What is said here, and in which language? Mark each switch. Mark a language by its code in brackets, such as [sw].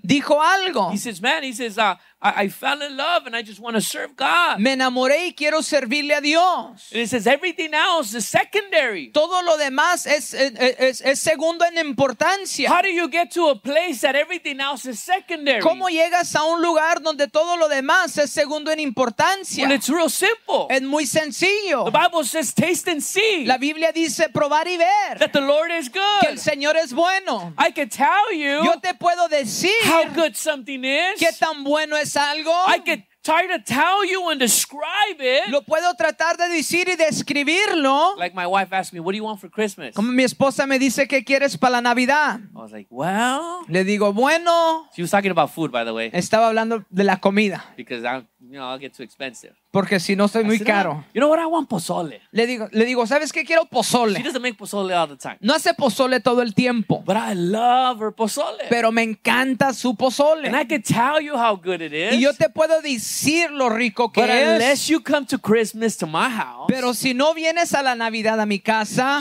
[es] Dijo algo. [en] He says, "Man, he says, I fell in love and I just want to serve God." [es] Me enamoré y quiero servirle a Dios. [en] And he says, "Everything else is secondary." [es] Todo lo demás es segundo en importancia. [en] How do you get to a place that everything else is secondary? [es] ¿Cómo llegas a un lugar donde todo lo demás es segundo en importancia? [en] Well, it's real simple. [es] Es muy sencillo. [en] The Bible says, "Taste and see." [es] La Biblia dice, probar y ver. [en] That the Lord is good. [es] Que el Señor es bueno. [en] I can tell you. [es] Yo te puedo decir. [en] How good something is. [es] Qué tan bueno es algo. [en] I can try to tell you and describe it. [es] Lo puedo tratar de decir y describirlo. [en] Like my wife asked me, "What do you want for Christmas?" [es] Como mi esposa me dice, ¿qué quieres para la Navidad? [en] I was like, "Well." [es] Le digo, bueno. [en] She was talking about food, by the way. [es] Estaba hablando de la comida. [en] Because I'll get too expensive. [es] Porque si no soy muy caro. [en] You know what, I want pozole. [es] Le digo, ¿sabes qué? Quiero pozole. [en] She doesn't make pozole all the time. [es] No hace pozole todo el tiempo. [en] But I love her pozole. [es] Pero me encanta su pozole. [en] And I can tell you how good it is. [es] Y yo te puedo decir lo rico que [en] but [es] es. [en] Unless you come to Christmas to my house. [es] Pero si no vienes a la Navidad a mi casa.